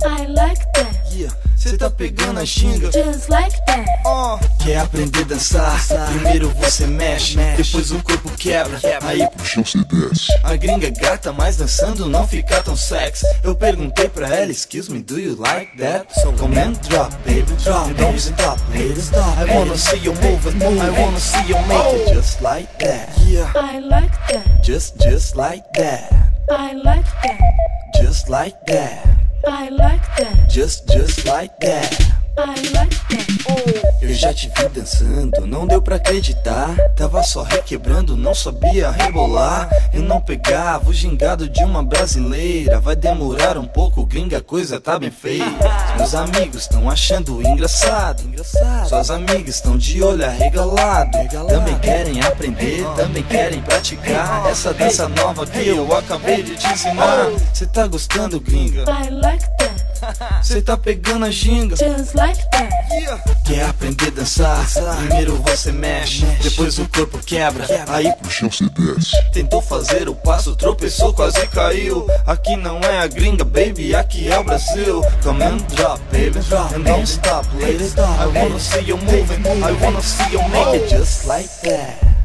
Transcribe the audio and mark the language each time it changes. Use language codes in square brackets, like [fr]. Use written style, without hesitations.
[en] I like that. [pt] Cê tá pegando a xinga? [en] Just like that. [pt] Quer aprender a dançar? Primeiro você mexe, depois o corpo quebra. Aí pro chão se desce. A gringa gata, mas dançando não fica tão sexy. Eu perguntei pra ela, [en] excuse me, do you like that? So come and drop, baby, drop, don't stop, baby, stop. I wanna see you move it, move it. I wanna see you make it just like that. I like that. Just like that. I like that. Just like that. I like that. Just like that. I like that. [pt] Eu já te vi dançando, não deu pra acreditar. Tava só requebrando, não sabia rebolar. Eu não pegava o gingado de uma brasileira. Vai demorar um pouco, gringa, coisa tá bem feia. Meus amigos estão achando engraçado. Suas amigas estão de olho arregalado. Também querem aprender, também querem praticar essa dança nova que eu acabei de te ensinar. Cê tá gostando, gringa? [en] I like that. [pt] Cê tá pegando a ginga? [en] Just like that. [pt] Quer aprender a dançar? Primeiro você mexe, depois o corpo quebra. Aí pro chão se desce. Tentou fazer o passo, tropeçou, quase caiu. Aqui não é a gringa, baby, aqui é o Brasil. [en] Come and drop, baby, drop, and don't stop, let it stop. I wanna see you moving, I wanna see you make it just like that.